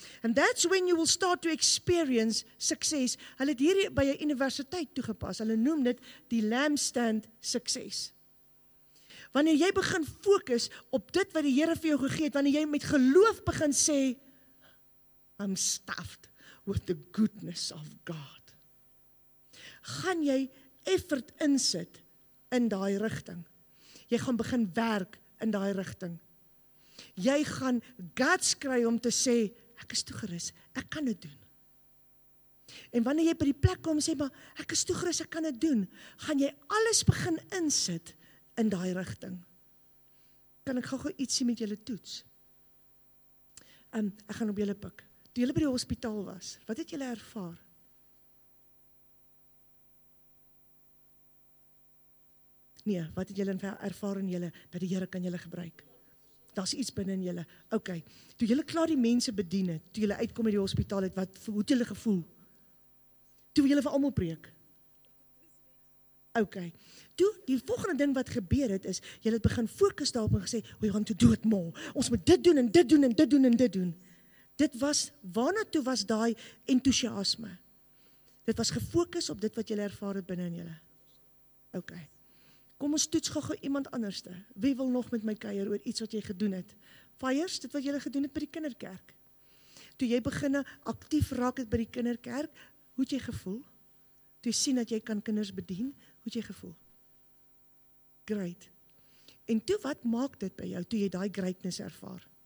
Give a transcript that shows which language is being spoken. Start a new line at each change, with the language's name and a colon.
English: And that's when you will start to experience success.
Afrikaans: Hulle het hierdie by 'n universiteit toegepas. Hulle noem dit die lampstand sukses. Wanneer jy begin fokus op dit wat die Here vir jou gegee het, wanneer jy met geloof begin sê,
English: I'm stuffed with the goodness of God.
Afrikaans: Gaan jy effort insit in daai rigting. Jy gaan begin werk in daai rigting. Jy gaan guts kry om te sê, ek is toegerus, ek kan dit doen. En wanneer jy by die plek kom, sê, maar ek is toegerus, ek kan dit doen, gaan jy alles begin insit in daai rigting. Kan ek gou iets sien met julle toets? Ek gaan op julle pik. Toe julle by die hospitaal was, wat het julle ervaar? Nee, wat het julle ervaar in julle, dat die Here kan julle gebruik? Daar's iets binne in julle. OK. Toe julle klaar die mense bedien het, toe julle uitkom uit die hospitaal het, wat hoe het julle gevoel? Toe julle vir almal preek. OK. Toe die volgende ding wat gebeur het is, julle het begin fokus daarop en gesê, "We gaan toe dood mal. Ons moet dit doen en dit doen en dit doen en dit doen." Dit was waarna toe was daai entoesiasme. Dit was gefokus op dit wat julle ervaar het binne in julle. OK. Kom ons toets gou iemand anderste. Wie wil nog met my kuier oor iets wat jy gedoen het? Fires, dit wat jy gedoen het by die kinderkerk. Toe jy begin aktief raak het by die kinderkerk, hoe het jy gevoel? Toe sien dat jy kan kinders bedien, hoe het jy gevoel? Great. En toe wat maak dit by jou, toe jy daai greatness ervaar?